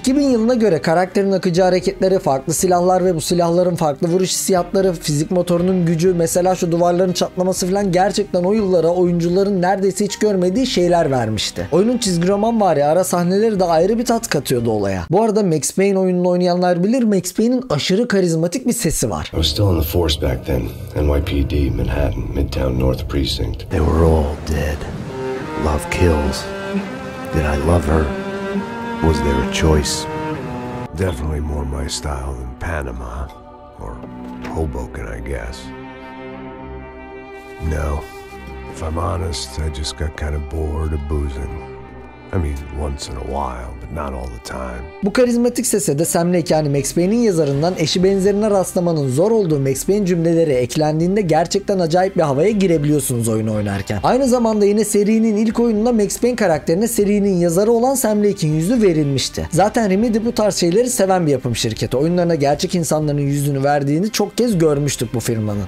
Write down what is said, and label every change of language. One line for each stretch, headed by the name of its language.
Turkish: 2000 yılına göre karakterin akıcı hareketleri, farklı silahlar ve bu silahların farklı vuruş hissiyatları, fizik motorunun gücü, mesela şu duvarların çatlaması falan gerçekten o yıllara oyuncuların neredeyse hiç görmediği şeyler vermişti. Oyunun çizgi roman var ya, ara sahneleri de ayrı bir tat katıyordu olaya. Bu arada Max Payne oyununu oynayanlar bilir, Max Payne'in aşırı karizmatik bir sesi var.
English: I was still in the force back then. NYPD, Manhattan, Midtown, North Precinct. They were all dead. Love kills. Did I love her? Was there a choice? Definitely more my style than Panama or Hoboken, I guess. No, if I'm honest, I just got kind of bored of boozing. I mean, once in a while, but not all the time.
Turkish: Bu karizmatik sese de Sam Lake, yani Max Payne'in yazarından eşi benzerine rastlamanın zor olduğu Max Payne cümleleri eklendiğinde gerçekten acayip bir havaya girebiliyorsunuz oyunu oynarken. Aynı zamanda yine serinin ilk oyununda Max Payne karakterine serinin yazarı olan Sam Lake'in yüzü verilmişti. Zaten Remedy bu tarz şeyleri seven bir yapım şirketi. Oyunlarına gerçek insanların yüzünü verdiğini çok kez görmüştük bu firmanın.